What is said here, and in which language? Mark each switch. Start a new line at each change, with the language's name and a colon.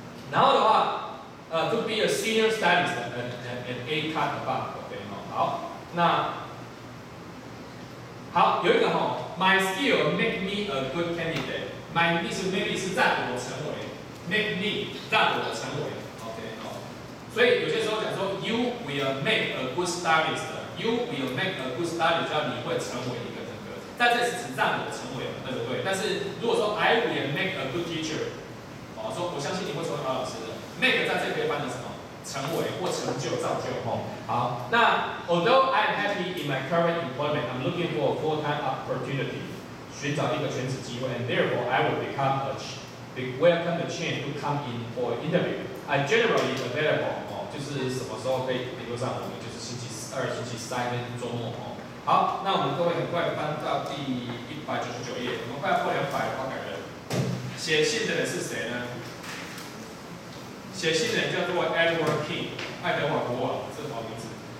Chinese: 然后的话，
English: to be a senior stylist and A cut above，
Chinese: OK 哈，好，那好有一个哈 ，
English: my skill make me a good candidate，
Chinese: my 意思 maybe 是让我成为 ，make me 让我成为 ，OK 哈，所以有些时候讲说
English: you will make a good stylist，
Chinese: you will make a good stylist， 叫你会成为一个人格，但这是指让我成为，对不对？但是如果说
English: I will make a good teacher。
Chinese: 说我相信你会成为好老师的。 Make 在这边翻成什么？成为或成就、造就。
English: 好，那 although I'm happy in my current employment, I'm looking for a full-time opportunity，
Chinese: 寻找一个全职机会。
English: And therefore, I will welcome the chance to come in for an interview. I'm generally available，
Chinese: 就是什么时候可以联络上我们？就是星期二、星期三跟周末。好，那我们各位很快翻到第199页，我们快要破200了，快感人。写信的人是谁呢？写信人叫做 Edward King， 爱德华国王，这是什么名字？